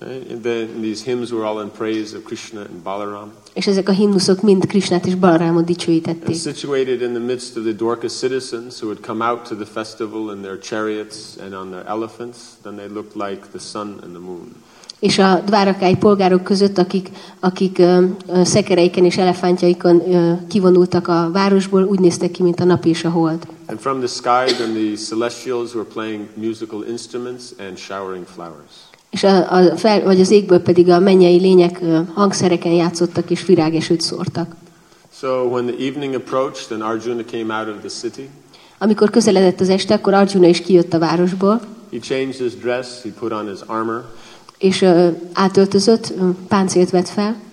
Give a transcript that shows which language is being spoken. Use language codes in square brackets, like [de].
[en] And then these hymns were all in praise of Krishna and Balaram. [hu] És ezek a himnuszok mind Krishnát és Balarámot dicsőítették. [en] And situated in the midst of the Dwarka citizens who had come out to the festival in their chariots and on their elephants, then they looked like the sun and the moon. [hu] És a dvárakái polgárok között, akik szekereiken és elefántjaikon kivonultak a városból, úgy néztek ki, mint a nap és a hold. [en] And from the sky, then the celestials were playing musical instruments and showering flowers. [hu] És vagy az égből pedig a mennyei lények hangszereken játszottak és virágesőt szórtak. [en] So when the evening approached, then Arjuna came out of the city. [hu] Amikor közeledett az este, akkor Arjuna is kijött a városból. [en] He changed his dress, he put on his armor. [hu] És átöltözött, páncélt vett fel.